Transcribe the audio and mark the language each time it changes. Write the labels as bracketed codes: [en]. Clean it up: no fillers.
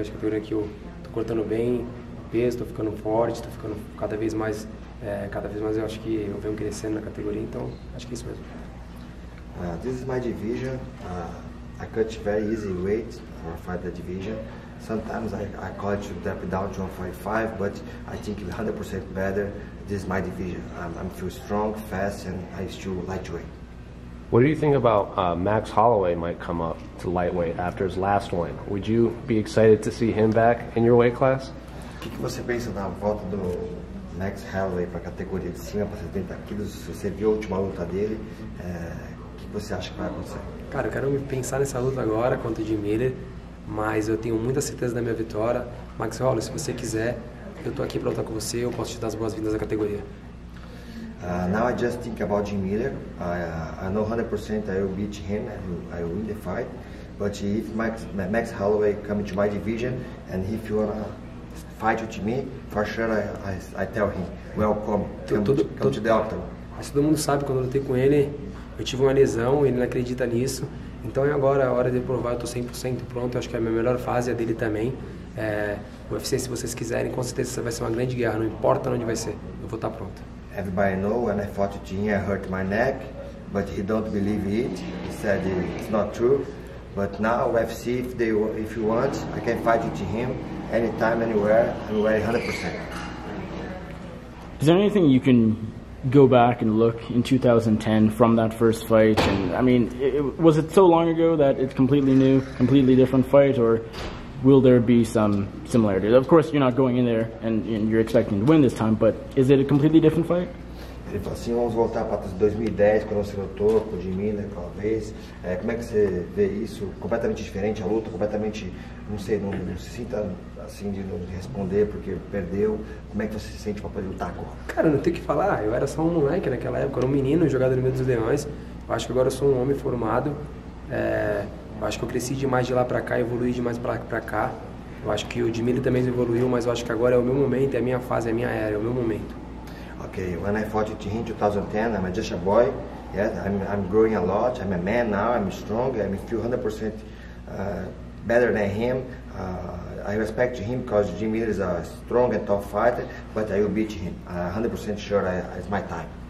[pt] Acho que a categoria que eu estou cortando bem. Estou ficando forte, estou ficando cada vez mais, eu acho que eu venho crescendo na categoria, então acho que é isso mesmo. [en] This is my division. I cut very easy weight for fight the division. Sometimes I call it to drop down to 155, but I think 100% better. This is my division. I'm feel strong, fast, and I still lightweight. What do you think about Max Holloway might come up to lightweight after his last win? Would you be excited to see him back in your weight class? [pt] O que você pensa da volta do Max Holloway para a categoria de cima, para 70 quilos? Você viu a última luta dele, o que você acha que vai acontecer? Cara, eu quero pensar nessa luta agora contra o Jim Miller, mas eu tenho muita certeza da minha vitória. Max Holloway, se você quiser, eu estou aqui para lutar com você, eu posso te dar as boas-vindas à categoria. [en] Now I just think about Jim Miller. I know 100% I will beat him, I will win the fight. But if Max Holloway comes to my division and if you are fight with me, for sure I tell him, welcome, come to the octagon. [pt] Mas todo mundo sabe, quando eu lutei com ele, eu tive uma lesão, ele não acredita nisso. Então agora é a hora de provar, eu estou 100% pronto, eu acho que é a minha melhor fase, a dele também. O UFC, se vocês quiserem, com certeza vai ser uma grande guerra, não importa onde vai ser, eu vou estar pronto. [en] Everybody know when I fought with him, I hurt my neck, but he don't believe it, he said it's not true. But now UFC, if you want, I can fight with him. Anytime, anywhere, 100%. Is there anything you can go back and look in 2010 from that first fight? And I mean, was it so long ago that it's completely new, completely different fight, or will there be some similarities? Of course, you're not going in there and you're expecting to win this time, but is it a completely different fight? [pt] Ele falou assim, vamos voltar para 2010, quando você lutou com o Jim Miller aquela vez. Como é que você vê isso? Completamente diferente a luta, completamente, não sei, não se sinta assim de não responder porque perdeu. Como é que você se sente para poder lutar agora? Cara, não tem o que falar, eu era só um moleque naquela época, era um menino jogado no meio dos leões. Eu acho que agora eu sou um homem formado. Eu acho que eu cresci demais de lá para cá, evoluí demais para cá. Eu acho que o Jim Miller também evoluiu, mas eu acho que agora é o meu momento, é a minha fase, é a minha era, é o meu momento. [en] Okay, when I fought with him in 2010, I'm just a boy. Yeah, I'm growing a lot. I'm a man now. I'm strong. I feel 100% better than him. I respect him because Jim Miller is a strong and tough fighter, but I will beat him. 100% sure it's my time.